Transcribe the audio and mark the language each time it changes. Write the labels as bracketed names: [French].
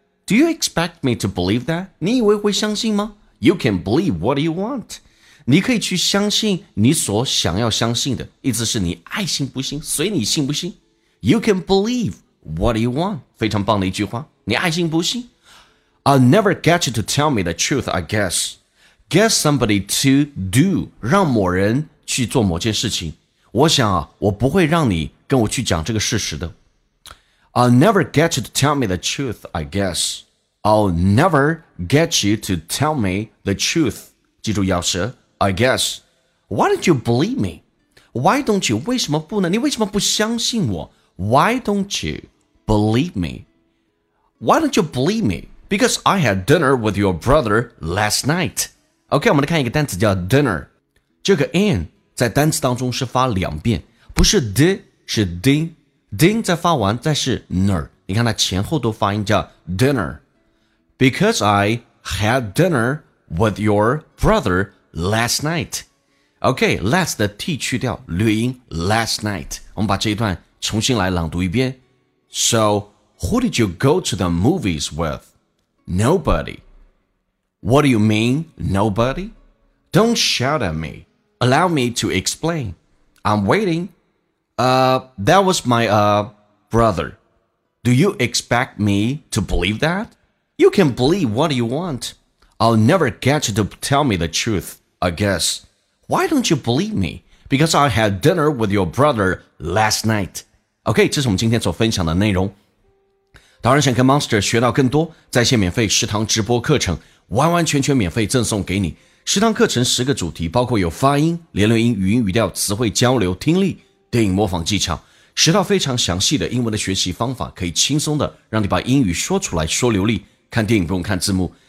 [English] Do you expect me to believe that? [Chinese] 你以为会相信吗？ [English] You can believe what you want. [Chinese] 你可以去相信你所想要相信的，意思是你爱信不信，随你信不信。 [English] You can believe what you want. [Chinese] 非常棒的一句话，你爱信不信。 [English] I'll never get you to tell me the truth, I guess. Get somebody to do, [Chinese] 让某人去做某件事情。我想啊，我不会让你跟我去讲这个事实的。 [English] I'll never get you to tell me the truth, I guess. I'll never get you to tell me the truth. [Chinese] 记住咬舌， [English] I guess. Why don't you believe me? Why don't you? [Chinese] 为什么不呢？你为什么不相信我？ [English] Why don't you believe me? Why don't you believe me? Because I had dinner with your brother last night. [Chinese] OK, 我们来看一个单词叫 dinner。这个 in 在单词当中是发两遍，不是 di，是 ding， ding 再发完，再是 ner， 你看它前后都发音叫 dinner。 [English] Because I had dinner with your brother last night. [Chinese] OK, last 的 T 去掉，略音 last night。我们把这一段重新来朗读一遍。 [English] So who did you go to the movies with? Nobody. What do you mean nobody? Don't shout at me, allow me to explain, I'm waitingThat was my brother. Do you expect me to believe that? You can believe what you want. I'll never get you to tell me the truth, I guess. Why don't you believe me? Because I had dinner with your brother last night. [Chinese] OK, 这是我们今天所分享的内容。当然想跟 Monster 学到更多，在线免费食堂直播课程完完全全免费赠送给你。食堂课程十个主题，包括有发音、连轮音、语音语调、词汇交流、听力、电影模仿技巧，十套非常详细的英文的学习方法，可以轻松的让你把英语说出来说流利，看电影不用看字幕。